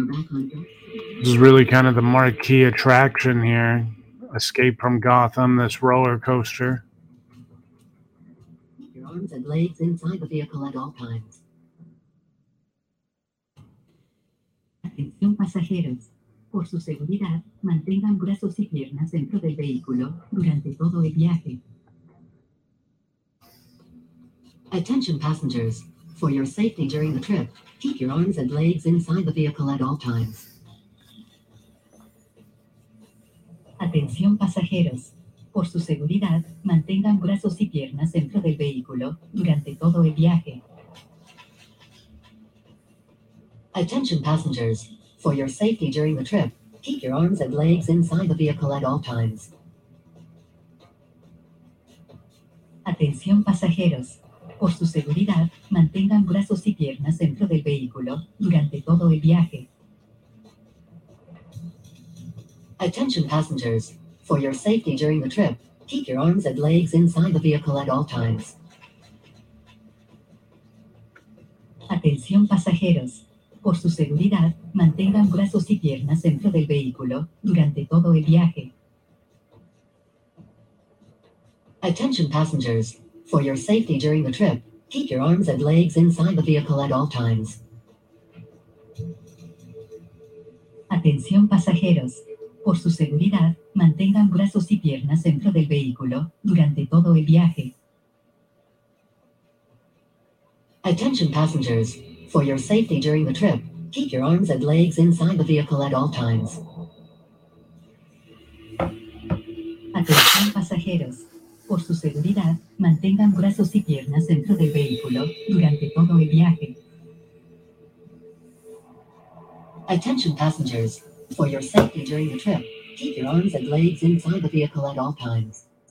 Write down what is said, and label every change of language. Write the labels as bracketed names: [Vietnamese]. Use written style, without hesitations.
[English] This is really kind of the marquee attraction here. Escape from Gotham, this roller coaster. Your arms and legs inside the vehicle at all times. [Spanish] Atención pasajeros. Por su seguridad, mantengan brazos y piernas dentro del vehículo durante todo el viaje. [English] Attention passengers. For your safety during the trip, keep your arms and legs inside the vehicle at all times. [Spanish] Atención pasajeros. Por su seguridad, mantengan brazos y piernas dentro del vehículo durante todo el viaje. [English] Attention passengers. For your safety during the trip, keep your arms and legs inside the vehicle at all times. [Spanish] Atención pasajeros. Por su seguridad, mantengan brazos y piernas dentro del vehículo durante todo el viaje. [English] Attention passengers, for your safety during the trip, keep your arms and legs inside the vehicle at all times. [Spanish] Atención pasajeros, por su seguridad, mantengan brazos y piernas dentro del vehículo durante todo el viaje. [English] Attention passengers, for your safety during the trip, keep your arms and legs inside the vehicle at all times. [Spanish] Atención pasajeros. Por su seguridad, mantengan brazos y piernas dentro del vehículo durante todo el viaje. [English] Attention passengers. For your safety during the trip, keep your arms and legs inside the vehicle at all times. [Spanish] Atención pasajeros. Por su seguridad, mantengan brazos y piernas dentro del vehículo durante todo el viaje. [English] Attention passengers. For your safety during the trip, keep your arms and legs inside the vehicle at all times.